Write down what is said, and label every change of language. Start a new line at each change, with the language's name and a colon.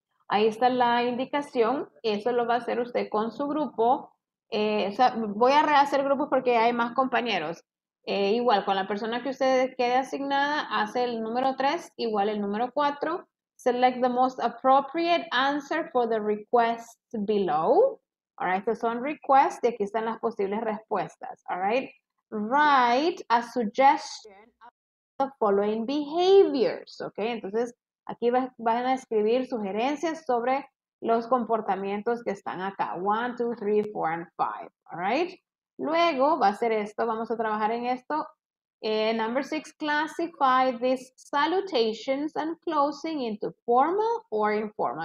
Spanish: Ahí está la indicación, eso lo va a hacer usted con su grupo. O sea, voy a rehacer grupos porque hay más compañeros. Igual, con la persona que usted quede asignada, hace el número 3, igual el número 4.
English: Select the most appropriate answer for the request below. All right,
Spanish: estos son requests y aquí están las posibles respuestas.
English: All right. Write a suggestion of the following behaviors, ok?
Spanish: Entonces, aquí van a escribir sugerencias sobre los comportamientos que están acá.
English: 1, 2, 3, 4, and 5, alright?
Spanish: Luego va a ser esto, vamos a trabajar en esto.
English: Number 6, classify these salutations and closing into formal or informal.